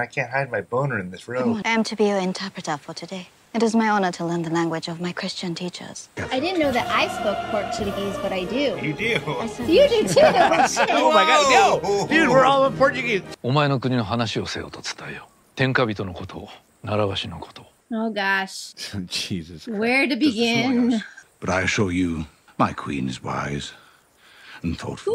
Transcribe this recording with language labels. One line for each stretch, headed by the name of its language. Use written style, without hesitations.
English: I can't hide my boner in this room. I am to be your interpreter for today. It is my honor to learn the language of my Christian teachers. I didn't know that I spoke Portuguese, but I do. You do. You do too. Oh my god, no! Dude, we're all in Portuguese.
Japanese: お前の国の話をせよと伝えよ。天下人のことを、習わしのこと。
English: Oh gosh. Jesus Christ. Where to begin? But I assure you, my queen is wise and thoughtful.